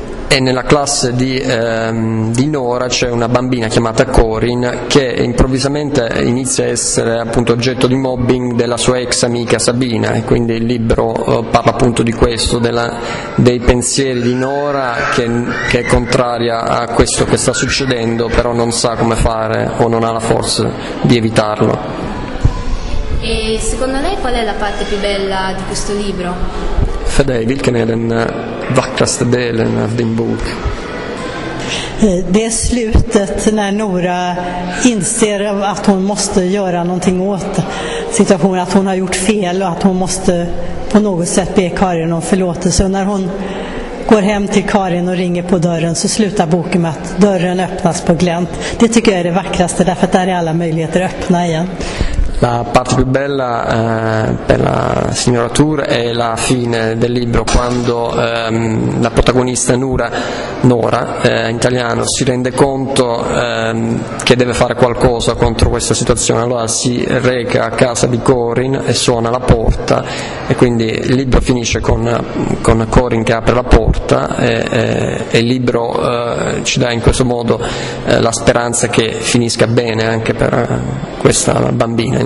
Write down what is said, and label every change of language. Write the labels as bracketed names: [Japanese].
[Italian] E nella classe di Nora c'è una bambina chiamata Corin che improvvisamente inizia a essere appunto oggetto di mobbing della sua ex amica Sabina, e quindi il libro parla appunto di questo, dei pensieri di Nora che è contraria a questo che sta succedendo, però non sa come fare o non ha la forza di evitarlo. E secondo lei qual è la parte più bella di questo libro? [Swedish] Fedei, vilken är den vackraste delen av din bok? Det är slutet när Nora inser att hon måste göra någonting åt situationen, att hon har gjort fel och att hon måste på något sätt be Karin om förlåtelse. Och när hon går hem till Karin och ringer på dörren så slutar boken med att dörren öppnas på glänt. Det tycker jag är det vackraste, därför att där är alla möjligheter öppna igen. [Italian] La parte più bella per la signora Tour è la fine del libro, quando la protagonista Nora, in italiano, si rende conto che deve fare qualcosa contro questa situazione. Allora si reca a casa di Corin e suona la porta, e quindi il libro finisce con Corin che apre la porta, e il libro ci dà in questo modo la speranza che finisca bene anche per questa bambina.